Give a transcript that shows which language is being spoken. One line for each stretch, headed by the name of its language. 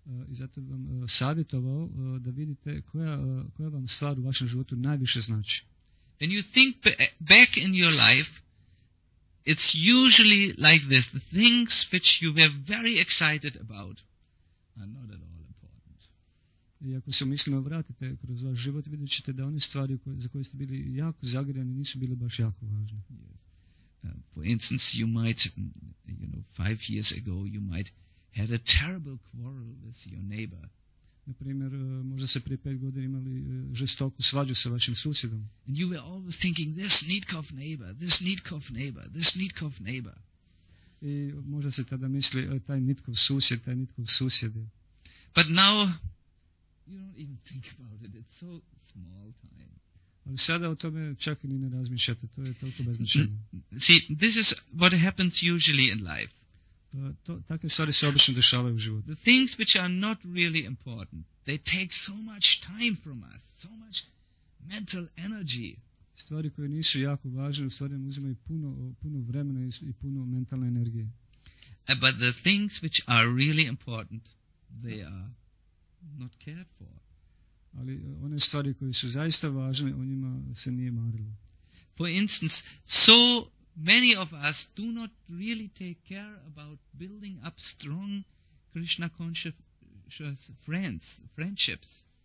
Croatian: I zato vam savjetovao da vidite koja vam stvar u vašem životu najviše znači.
English: When you think back in your life, it's usually like this. The things which you were very excited about are not at all.
Croatian: I ako se mislimo vratite kroz vaš život, vidjet ćete da one stvari za koje ste bili jako zagrijani nisu bile baš jako važne.
English: For instance, you might, you know, 5 years ago you might had a terrible quarrel with your neighbor.
Croatian: Naprimjer, možda ste prije 5 godina imali žestoku svađu sa vašim susjedom.
English: And you were always thinking, this Nitkov neighbor, this Nitkov neighbor, this Nitkov neighbor.
Croatian: I možda se tada misli, taj Nitkov susjed, taj Nitkov susjed.
English: But now, you don't even think about it. It's so small time.
Croatian: Ali sada o tome čak i ne razmišljate. To je toliko beznačajno.
English: See, this is what happens usually in life.
Croatian: Takve stvari se obično dešavaju u životu.
English: The things which are not really important, they take so much time from us, so much mental energy.
Croatian: Stvari koje nisu jako važne, u stvari nam uzimaju puno vremena i puno mentalne energije.
English: But the things which are really important, they are not cared for.
Croatian: Ali one stvari koje su zaista važne, o njima se nije marilo.
English: For instance, so many of us do not really take care about building up strong Krishna conscious friendships.